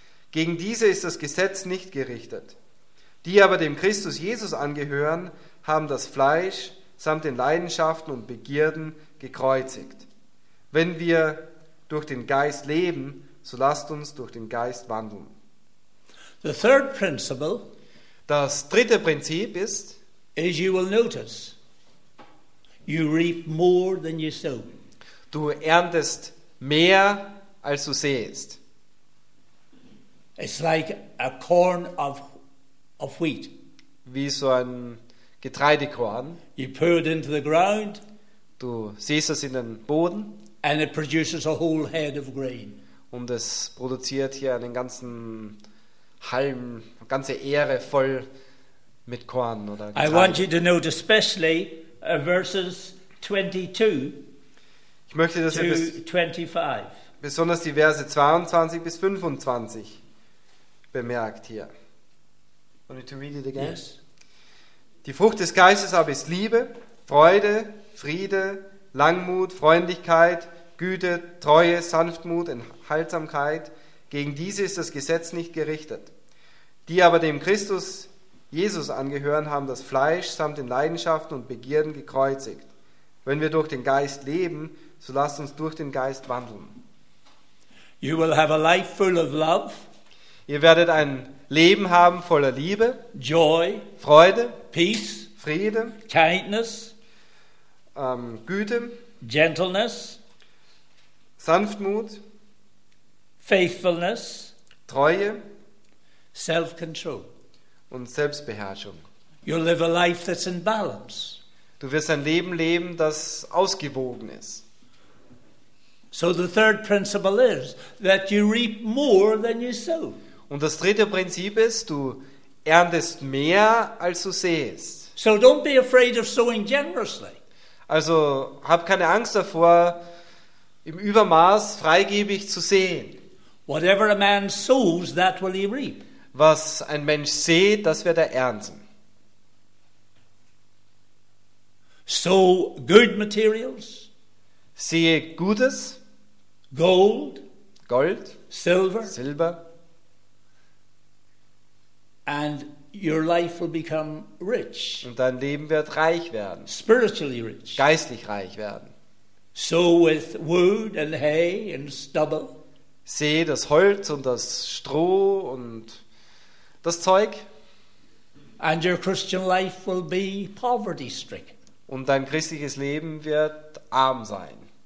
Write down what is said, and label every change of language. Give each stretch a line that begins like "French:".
German: Gegen diese ist das Gesetz nicht gerichtet. Die aber dem Christus Jesus angehören, haben das Fleisch samt den Leidenschaften und Begierden gekreuzigt. Wenn wir durch den Geist leben, so lasst uns durch den Geist wandeln.
English: The third principle,
German: das dritte Prinzip ist,
English: is you will notice, you reap more than you sow.
German: Du erntest mehr, als du säst.
English: It's like a corn of wheat.
German: Wie so ein Getreidekorn.
English: You pour it into the ground.
German: Du säst es in den Boden.
English: And it produces a whole head of grain.
German: Und es produziert hier einen ganzen Halm, eine ganze Ähre voll mit Korn oder Getreide.
English: I want you to note especially verses 22.
German: Ich möchte, dass ihr besonders die Verse 22 bis 25 bemerkt hier.
English: Want me to read it again? Yes.
German: Die Frucht des Geistes aber ist Liebe, Freude, Friede, Langmut, Freundlichkeit, Güte, Treue, Sanftmut, Enthaltsamkeit. Gegen diese ist das Gesetz nicht gerichtet. Die aber dem Christus Jesus angehören, haben das Fleisch samt den Leidenschaften und Begierden gekreuzigt. Wenn wir durch den Geist leben, so lasst uns durch den Geist wandeln.
English: You will have a life full of love.
German: Ihr werdet ein Leben haben voller Liebe,
English: Joy,
German: Freude,
English: Peace,
German: Friede,
English: Kindness,
German: Güte,
English: Gentleness,
German: Sanftmut,
English: Faithfulness,
German: Treue,
English: Self-control
German: und Selbstbeherrschung.
English: You'll live a life that's in balance.
German: Du wirst ein Leben leben, das ausgewogen ist.
English: So the third principle is that you reap more than you sow.
German: Und das dritte Prinzip ist, du erntest mehr, als du sähst.
English: So don't be afraid of sowing generously.
German: Also hab keine Angst davor, im Übermaß freigebig zu säen.
English: Whatever a man sows, that will he reap.
German: Was ein Mensch sät, das wird er ernten.
English: So good materials.
German: Sehe Gutes.
English: Gold.
German: Gold.
English: Silver.
German: Silber.
English: And your life will become rich.
German: Und dein Leben wird reich werden.
English: Spiritually rich.
German: Geistlich reich werden.
English: So with wood and hay and stubble.
German: Sehe das Holz und das Stroh und das Zeug.
English: And your Christian life will be poverty-stricken.
German: Und dein christliches Leben wird arm sein.